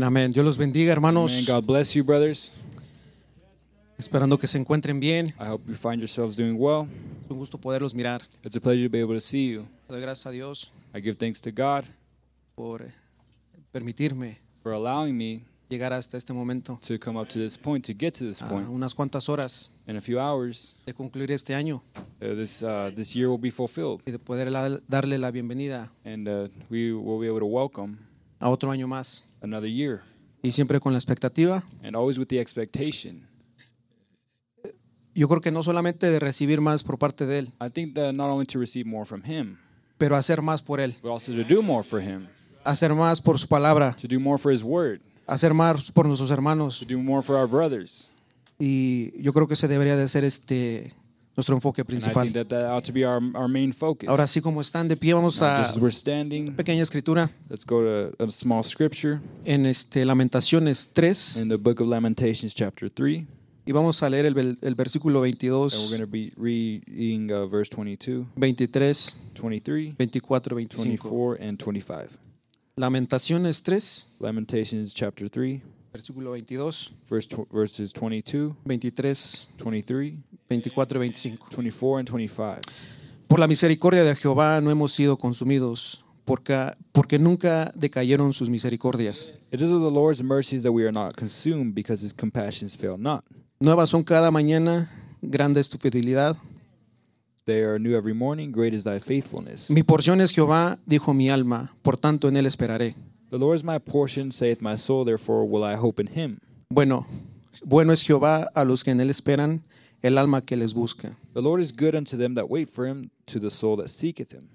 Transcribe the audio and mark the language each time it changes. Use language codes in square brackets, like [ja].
[es] Dios los bendiga, hermanos. [en] Amen. God bless you, brothers. [es] Esperando que se encuentren bien. [en] I hope you find yourselves doing well. [es] Es un gusto poderlos mirar. [en] It's a pleasure to be able to see you. [es] Doy gracias a Dios. [en] I give thanks to God [es] por permitirme [en] for allowing me [es] llegar hasta este momento [en] to come up to this point, to get to this point. [es] Unas cuantas horas [en] in a few hours [es] de concluir este año. [en] This year will be fulfilled. [es] Y de poder darle la bienvenida [en] and we will be able to welcome [es] a otro año más. [en] Another year. [es] Y siempre con la expectativa. [en] And always with the expectation. [es] Yo creo que no solamente de recibir más por parte de él. [en] I think that not only to receive more from him. [es] Pero hacer más por él. [en] But also to do more for him. [es] Hacer más por su palabra. [en] To do more for his word. [es] Hacer más por nuestros hermanos. [en] To do more for our brothers. [es] Y yo creo que ese debería de ser este nuestro enfoque principal. [en] And I think that ought to be our main focus. [es] Ahora así como están de pie, vamos [en] now, [es] a una pequeña escritura. [en] Let's go to a small scripture. [es] En este Lamentaciones 3. [en] In the book of Lamentations chapter 3. [es] Y vamos a leer el versículo 22. [en] And we're going to be reading verse 22. 23. 23. 24, [es] 25. Lamentaciones 3. [en] Lamentations chapter 3. [es] Versículo 22. [en] Verses 22. 23. 23. 24 and 25. [es] Por la misericordia de Jehová no hemos sido consumidos, porque nunca decayeron sus misericordias. [en] It is of the Lord's mercies that we are not consumed, because his compassions fail not. [es] Nuevas son cada mañana, grande es tu fidelidad. [en] They are new every morning, great is thy faithfulness. [es] Mi porción es Jehová, dijo mi alma, por tanto en él esperaré. [en] The Lord is my portion, saith my soul, therefore will I hope in him. [es] Bueno es Jehová a los que en él esperan, el alma que les busca. [en] The Lord is good unto them that wait for him, to the soul that seeketh him.